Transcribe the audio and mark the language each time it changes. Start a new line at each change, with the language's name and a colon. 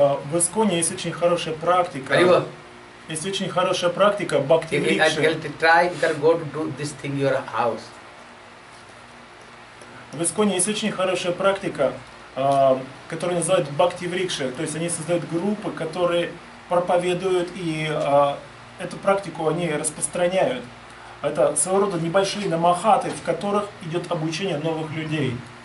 Russian: В Исконе есть очень хорошая практика. Есть очень хорошая практика Бхакти Врикши.
English: Try, you can go to do this thing in your house.
Russian: В Исконе есть очень хорошая практика, которую называют Бхакти Врикши. То есть они создают группы, которые проповедуют и эту практику они распространяют. Это своего рода небольшие намахаты, в которых идет обучение новых людей.